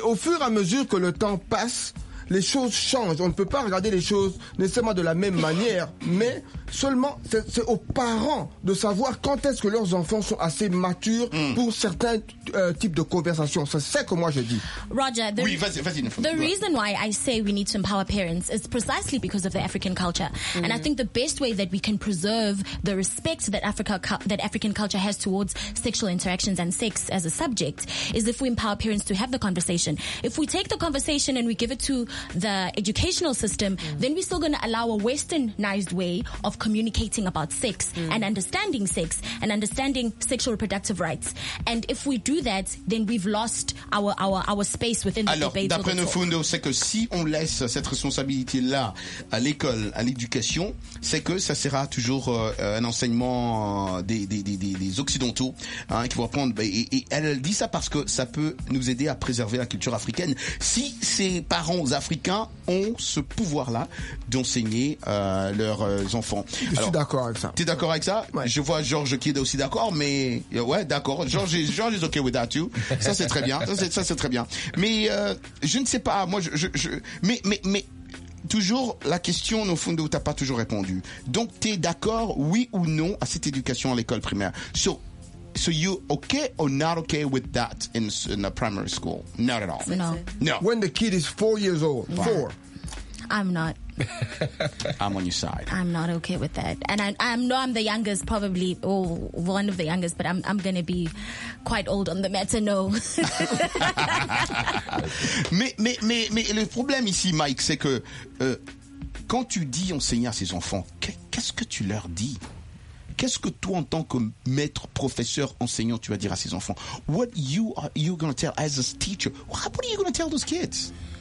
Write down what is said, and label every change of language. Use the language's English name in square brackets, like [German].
[French] Au fur et à mesure que le temps passe, les choses changent. On ne peut pas regarder les choses nécessairement de la même manière, mais seulement, c'est aux parents de savoir quand est-ce que leurs enfants sont assez matures pour certains types de conversations. C'est ce que moi je dis. [English] Roger, the reason why I say we need to empower parents is precisely because of the African culture. And I think the best way that we can preserve the respect that African culture has towards sexual interactions and sex as a subject is if we empower parents to have the conversation. If we take the conversation and we give it to the educational system, then we're still going to allow a westernized way of communicating about sex and understanding sex and understanding sexual reproductive rights. And if we do that, then we've lost our space within the [French] Alors, [English] debate. [French] D'après Nofundo, c'est que si on laisse cette responsabilité-là à l'école, à l'éducation, c'est que ça sera toujours un enseignement des Occidentaux hein, qui vont apprendre. Et elle dit ça parce que ça peut nous aider à préserver la culture africaine. Si ses parents africains ont ce pouvoir-là d'enseigner leurs enfants. Alors, je suis d'accord avec ça. T'es d'accord avec ça? Ouais. Je vois Georges qui est aussi d'accord, mais ouais, d'accord. [English] Georges is okay with that too. [French] Ça c'est très bien. Ça c'est très bien. Mais je ne sais pas. Moi, mais toujours la question au fond de où t'as pas toujours répondu. Donc t'es d'accord, oui ou non, à cette éducation à l'école primaire? So, [English] So you okay or not okay with that in the primary school? Not at all. No. No. When the kid is 4 years old, yeah. Four. I'm not. I'm on your side. I'm not okay with that. And I know I'm the youngest, probably, or one of the youngest, but I'm going to be quite old on the matter, no. [French] mais le problème ici, Mike, c'est que quand tu dis enseigner à ces enfants, qu'est-ce que tu leur dis? Qu'est-ce que toi, en tant que maître, professeur, enseignant, tu vas dire à ces enfants? [English] What you are you going to tell as a teacher? What are you going to tell those kids?